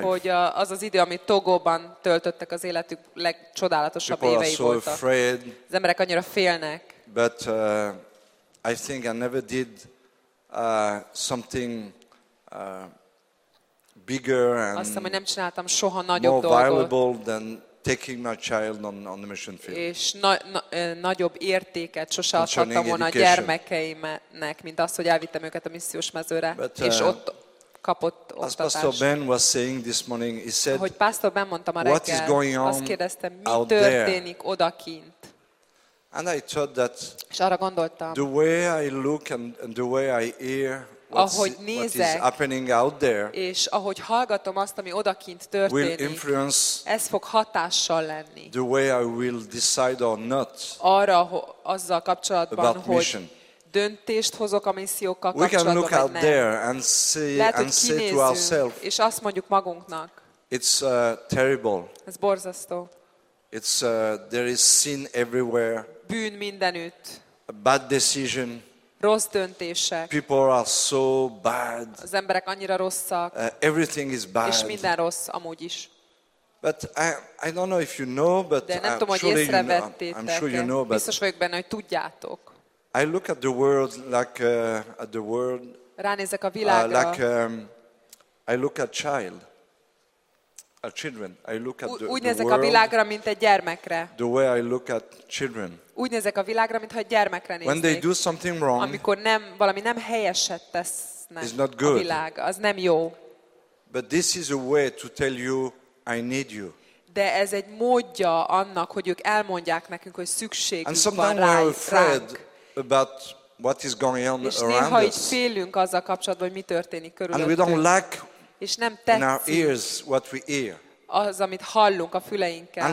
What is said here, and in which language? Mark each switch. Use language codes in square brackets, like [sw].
[hu] Hogy az az idő, amit Togóban töltöttek, az életük legcsodálatosabb évei voltak. [en] People are so afraid. [hu] Az emberek annyira félnek. [en] But I think I never did something bigger and [hu] azt hiszem, hogy nem csináltam soha nagyobb [en] more valuable than taking my child on the mission field. [hu] És nagyobb értéket sose adhattam volna a gyermekeimnek, mint azt, hogy elvittem őket a missziós mezőre, és ott kapott oktatást. [en] As Pastor Ben was saying this morning, he said, [hu] ahogy Pastor Ben mondta ma reggel, [en] what is going on, [hu] azt kérdeztem, mi történik odakint. [en] And I thought that, [hu] és arra gondoltam, [en] the way I look and the way I hear, [hu] ahogy nézek, és ahogy hallgatom azt, ami odakint történik, ez fog hatással lenni. [en] The way I will decide or not. [hu] Arra, azzal kapcsolatban, hogy döntést hozok a missziókkal kapcsolatban. [en] We can look out there and see and say to ourselves. [hu] És azt mondjuk magunknak. [en] It's terrible. [hu] Ez borzasztó. [en] It's there is sin everywhere. [hu] Bűn mindenütt. [en] A bad decision. [hu] rossz döntések. [en] People are so bad. [hu] Az emberek annyira rosszak. [en] Everything is bad. [hu] És minden rossz amúgy is. [en] But I don't know if you know, but [hu] nem [en] I'm, [hu] tudom, [en] sure you know, I'm sure you know. [hu] But biztos vagyok benne, hogy tudjátok. [en] I look at the world like at the world. [hu] Ránézek a világra. [en] Like I look at child. A children. I look at [hu] úgy nézek a világra, mint egy gyermekre. [en] The way I look at children. [hu] Úgy nézek a világra, mintha gyermekre néznék. [en] When they do something wrong, [hu] amikor nem valami nem helyeset tesznek, [en] it's not good. [hu] A világ, az nem jó. [en] But this is a way to tell you I need you. [hu] De ez egy módja annak, hogy ők elmondják nekünk, hogy szükségünk van rá. [en] And sometimes we're afraid about what is going on around [hu] us. És néha félünk azzal kapcsolatban, hogy mi történik körülöttünk. [en] And we don't like. [hu] És nem tetszik. [en] In our ears, what we hear. [hu] Az, amit hallunk a füleinkkel.